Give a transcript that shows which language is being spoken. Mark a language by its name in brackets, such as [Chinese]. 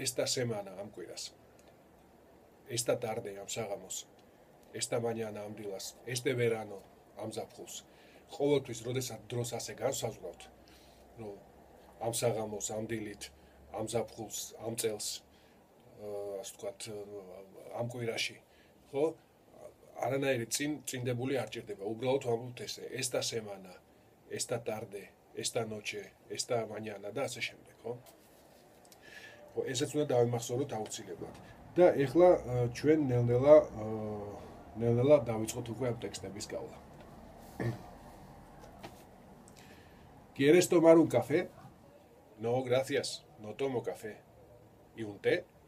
[Spanish] Esta semana [Georgian] ამ კვირას. [Spanish] Esta tarde [Georgian] ამ საღამოს. [Spanish] Esta mañana [Georgian] ამ დილას. [Spanish] Este verano [Georgian] ამ ზაფხულს. ყოველთვის როდესაც დროს ასე განსაზღვრავთ, რომ ამ საღამოს, ამ დილით, ამ ზაფხულს, ამ წელს, ასე ვთქვათ, ამ კვირაში, ხო? არანაირი წინდებული არ ჭირდება. უბრალოდ ვამბობთ ესე, [Spanish] esta semana, esta tarde, esta noche, esta mañana [Georgian] და ასე შემდეგ, ხო? ხო, ესეც უნდა დავიმახსოვროთ აუცილებლად. და ეხლა ჩვენ ნელ-ნელა დავიწყოთ უკვე ამ ტექსტების გავლა. [Spanish] ¿Quieres tomar un café? No, gracias, no tomo café. ¿Y un té?